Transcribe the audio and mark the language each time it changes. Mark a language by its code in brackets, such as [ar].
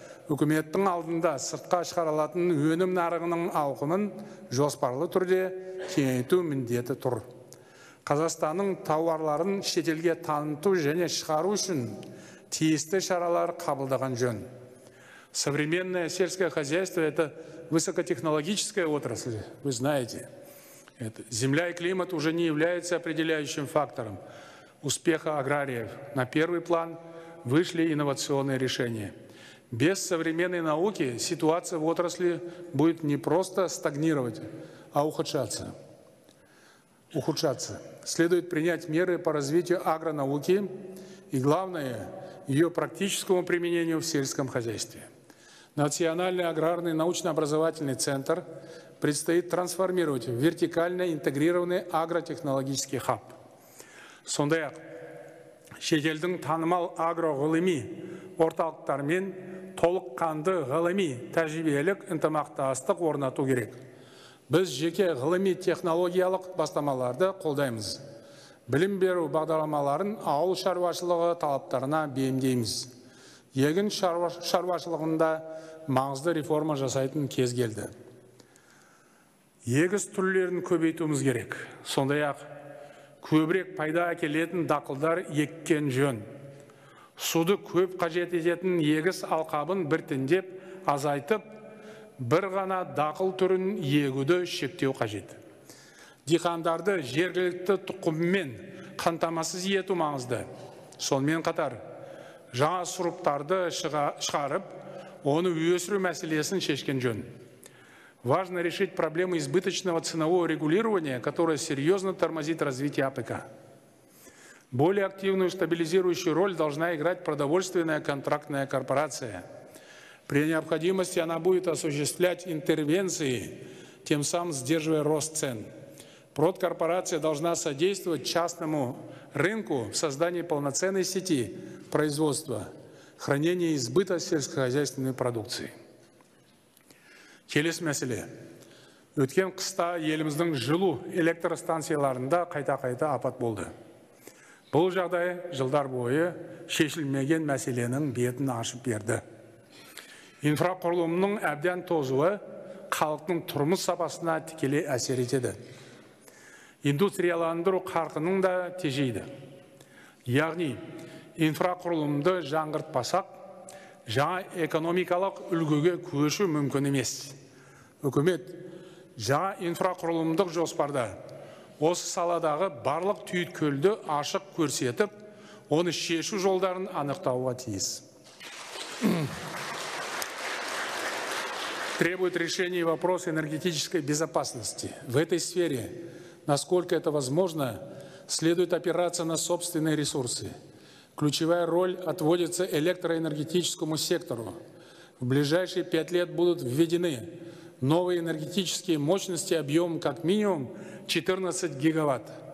[kk] Үкіметтің алдында сыртқа шығарылатын өнім нарығының ауқымын жоспарлы түрде кеңейту міндеті тұр. Қазақстанның тауарларын шетелге таныту және шығару үшін тиісті шаралар қабылдаған жөн. [ru] Современное сельское хозяйство – это высокотехнологическая отрасль, вы знаете. Это земля и климат уже не являются определяющим фактором успеха аграриев. На первый план вышли инновационные решения. Без современной науки ситуация в отрасли будет не просто стагнировать, а ухудшаться. Следует принять меры по развитию агронауки и, главное, ее практическому применению в сельском хозяйстве. Национальный аграрный научно-образовательный центр предстоит трансформировать в вертикально интегрированный агротехнологический хаб. [kk] Сондай-ақ, шетелдің танымал агроғылыми орталықтармен толыққанды ғылыми тәжірибелік ынтымақтастық орнату керек. Біз жеке ғылыми технологиялық бастамаларды қолдаймыз. Білім беру бағдарламаларын ауыл шаруашылығы талаптарына бейімдейміз. Егін шаруашылығында маңызды реформа жасайтын кез келді. Егіс түрлерін көбейтуіміз керек. Сондай-ақ, көбірек пайда әкелетін дақылдар еккен жөн. Суды көп қажет ететін егіс алқабын біртіндеп азайтып, бір ғана дақыл түрін егуді шектеу қажет. Диқандарды жергілікті тұқыммен қамтамасыз ету маңызды. Сонымен қатар, жаңа сұрыптарды шығарып, оны өсіру мәселесін шешкен жөн. [ru] Важно решить проблему избыточного ценового регулирования, которое серьезно тормозит развитие АПК. Более активную стабилизирующую роль должна играть продовольственная контрактная корпорация. При необходимости она будет осуществлять интервенции, тем самым сдерживая рост цен. Продкорпорация должна содействовать частному рынку в создании полноценной сети производства, хранения избыта сельскохозяйственной продукции. [kk] Келесі мәселе. Өткен қыста еліміздің жылу электростанцияларында қайта-қайта апат болды. Бұл жағдай жылдар бойы шешілмеген мәселенің бетін ашып берді. Инфрақұрылымның әбден тозуы халықтың тұрмыс сапасына тікелей әсер етеді. Индустрияландыру қарқының да тежейді. Яғни, инфрақұрылымды жаңғыртпасақ, жаңа экономикалық үлгіге көшу мүмкін емес. Үкімет жаңа инфрақұрылымдық жоспарда осы саладағы барлық түйткілді ашық көрсетіп, оны шешу жолдарын анықтауға тиіс. [ru] Требует решения вопрос энергетической безопасности. В этой сфере, насколько это возможно, следует опираться на собственные ресурсы. Ключевая роль отводится электроэнергетическому сектору. В ближайшие 5 лет будут введены новые энергетические мощности объемом как минимум 14 гигаватт.